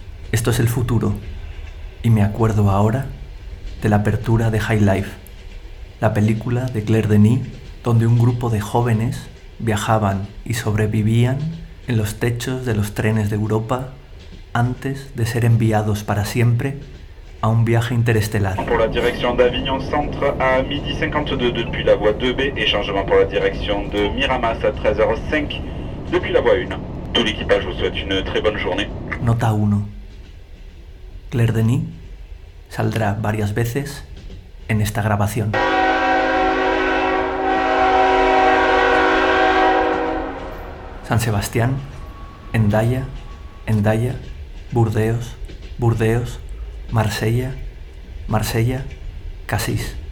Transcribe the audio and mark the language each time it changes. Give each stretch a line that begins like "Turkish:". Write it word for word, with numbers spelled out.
Spanish: Esto es el futuro y me acuerdo ahora de la apertura de High Life, la película de Claire Denis donde un grupo de jóvenes viajaban y sobrevivían en los techos de los trenes de Europa antes de ser enviados para siempre a un viaje interestelar.
French: Pour la direction d'Avignon Centre à midi cinquante-deux depuis la voie deux B et changement pour la direction de Miramas à treize heures zéro cinq depuis la voie un. Tout l'équipage vous souhaite une très bonne journée.
Spanish: Nota uno. Claire Denis saldrá varias veces en esta grabación. San Sebastián, Endaya, Endaya, Burdeos, Burdeos, Marsella, Marsella, Cassis.